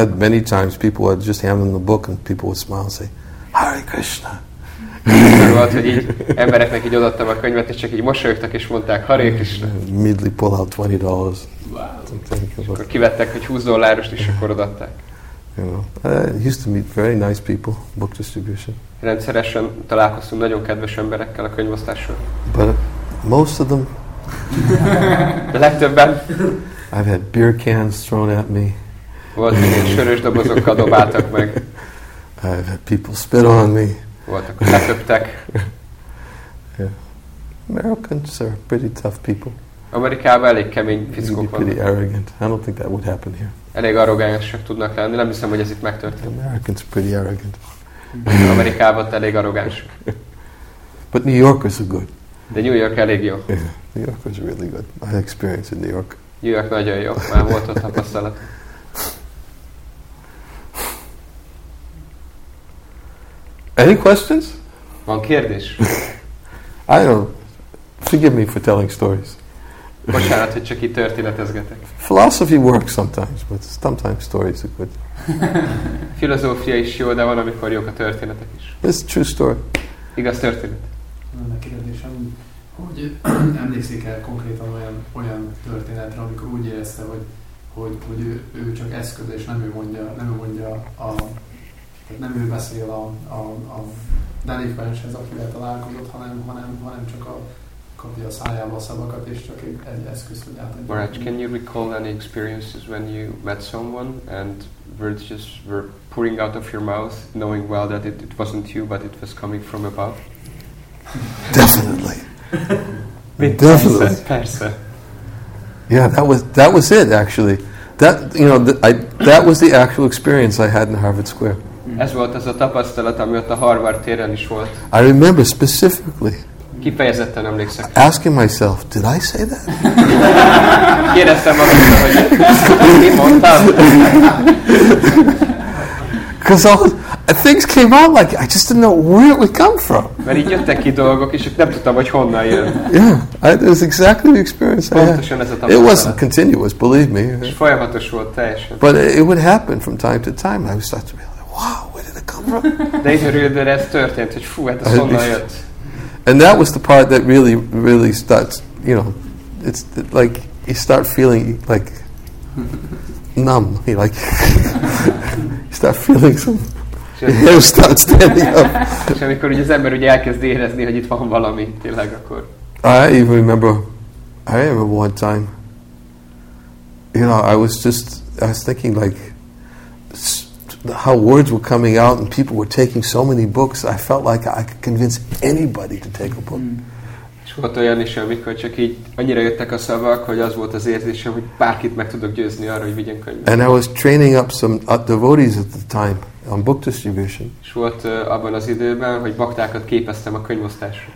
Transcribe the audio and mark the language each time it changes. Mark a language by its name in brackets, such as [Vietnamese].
[English] I had many times people would just hand them the book and people would smile and say, Hare Krishna. [Hungarian] Volt, hogy így embereknek így odaadtam a könyvet, és csak így mosolyogtak, és mondták, Hare Krishna. [English] Immediately pull out $20. Wow. [Hungarian] Akkor kivettek egy $20-ost, és akkor odaadták. [English] You know, I used to meet very nice people, book distribution. [Hungarian] Rendszeresen találkoztunk nagyon kedves emberekkel a könyvosztáson. [English] But most of them. [Hungarian] De legtöbben. [English] I've had beer cans thrown at me. [Hungarian] Voltak, hogy sörös dobozokkal dobáltak meg. [English] I've had people spit on me. [Hungarian] Voltak, hogy leköptek. [English] Americans are pretty tough people. [Hungarian] Amerikában elég kemény fizikók van. [English] Pretty arrogant. I don't think that would happen here. [Hungarian] Elég arrogánsak tudnak lenni. Nem hiszem, hogy ez itt megtörtént. [English] Americans are pretty arrogant. [Hungarian] Amerikában elég arrogánsak. [English] But New Yorkers are good. [Hungarian] De New York elég jó. [English] Yeah. New York is really good. I had experience in New York. [Hungarian] New York nagyon jó. Már volt ott tapasztalat. [English] Any questions? [Hungarian] Van kérdés? [English] I don't. Forgive me for telling stories. [Hungarian] Bocsánat, hogy csak itt történetezgetek. [English] Philosophy works sometimes, but sometimes stories are good. [Hungarian] Filozófia is jó, de van, amikor jók a történetek is. [English] It's a true story. [Hungarian] Igaz történet. Van egy kérdésem, hogy emlékszik-e konkrétan olyan történetre, amikor úgy érezte, hogy ő csak eszköz, és nem ő mondja a, tehát nem ő beszél a delikvenshez, akivel találkozott, hanem csak a kapja a szájába a szavakat, és csak egy eszköz, hogy átadja. [English] Maraj, can you recall any experiences when you met someone and words just were pouring out of your mouth, knowing well that it wasn't you, but it was coming from above? Definitely. Definitely. [Hungarian] Persze. [English] Yeah, that was it actually. That was the actual experience I had in Harvard Square. [Hungarian] Ez volt az a tapasztalat, ami ott a Harvard téren is volt. [English] I remember specifically. [Hungarian] Kifejezetten emlékszem. [English] Asking myself, did I say that? [Hungarian] Kérdeztem magamra, hogy mit mondtam? [English] Because all things came out like I just didn't know where it would come from. [Hungarian] Mert így jöttek ki dolgok, és nem tudtam, hogy honnan jön. [English] Yeah, it was exactly the experience. [Hungarian] Pontosan ez a tapasztalat. [English] It wasn't continuous, believe me. [Hungarian] És folyamatos volt teljesen. [English] But it would happen from time to time. I would start to be like, wow, where did it come from? [Hungarian] De időről ez történt, hogy fú, hát ez honnan jött. [English] And that was the part that really, really starts, you know, it's like you start feeling like numb, like you start feeling some hair starts standing up. [Hungarian] És amikor ugye az ember ugye elkezd érezni, hogy itt van valami, tényleg akkor. [English] I remember one time, you know, I was thinking like how words were coming out and people were taking so many books, I felt like I could convince anybody to take a book. [Hungarian] És volt olyan is, amikor csak így annyira jöttek a szavak, hogy az volt az érzésem, hogy bárkit meg tudok győzni arra, hogy vigyen könyvet. [English] And I was training up some devotees at the time on book distribution. [Hungarian] És volt abban az időben, hogy baktákat képeztem a könyvosztásra.